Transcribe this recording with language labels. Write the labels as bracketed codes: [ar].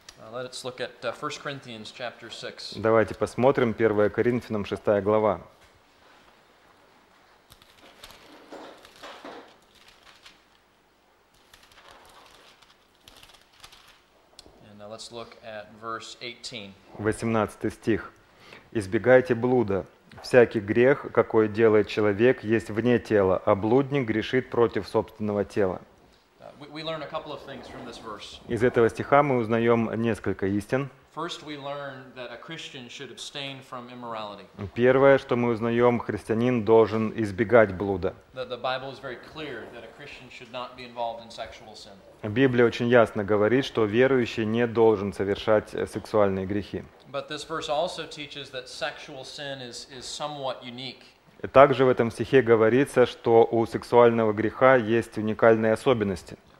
[en] Let's look at 1 Corinthians chapter 6. [ru] Давайте посмотрим 1 Коринфянам 6 глава. [en] And let's look at verse 18. [ru] 18 стих. «Избегайте блуда. Всякий грех, какой делает человек, есть вне тела, а блудник грешит против собственного тела». [en] We learn a couple of things from this verse. [ru] Из этого стиха мы узнаем несколько истин. [en] First, we learn that a Christian should abstain from immorality. [ru] Первое, что мы узнаем, христианин должен избегать блуда. [en] The Bible is very clear that a Christian should not be involved in sexual sin. [ru] Библия очень ясно говорит, что верующий не должен совершать сексуальные грехи. [en] But this verse also teaches that sexual sin is somewhat unique. [ru] Также в этом стихе говорится, что у сексуального греха есть уникальные особенности.